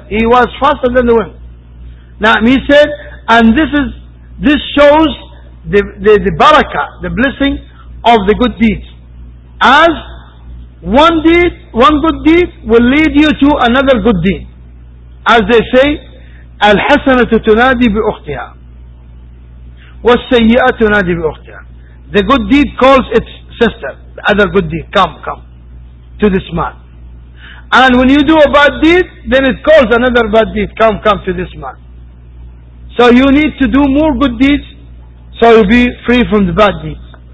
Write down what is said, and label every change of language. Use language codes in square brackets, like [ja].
[en] He was faster than the wind. Now he said, and this shows the barakah, the blessing of the good deeds. As one good deed will lead you to another good deed. As they say, [ar] الحسنة تنادي بأختها والسيئة تنادي بأختها. [en] The good deed calls its sister. The other good deed, come to this man. And when you do a bad deed, then it calls another bad deed, come to this man. So you need to do more good deeds so you'll be free from the bad deeds.